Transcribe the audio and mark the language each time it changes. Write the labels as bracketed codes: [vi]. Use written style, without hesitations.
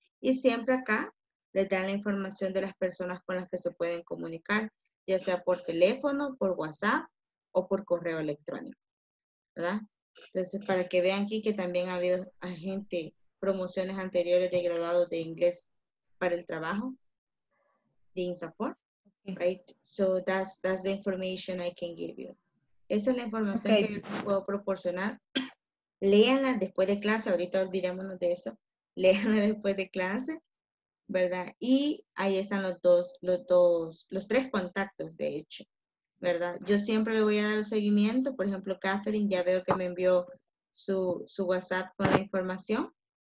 [es] Y siempre acá les dan la información de las personas con las que se pueden comunicar, ya sea por teléfono, por WhatsApp o por correo electrónico, ¿verdad? Entonces, para que vean aquí que también ha habido gente, promociones anteriores de graduados de inglés para el trabajo, de INSAFOR, right? [en] So that's the information I can give you. [es] Esa es la información okay. que yo les puedo proporcionar. Léanla después de clase, ahorita olvidémonos de eso. Léanla después de clase, ¿verdad? Y ahí están los tres contactos, de hecho. ¿Verdad? Yo siempre le voy a dar el seguimiento. Por ejemplo, Catherine ya veo que me envió su WhatsApp con la información.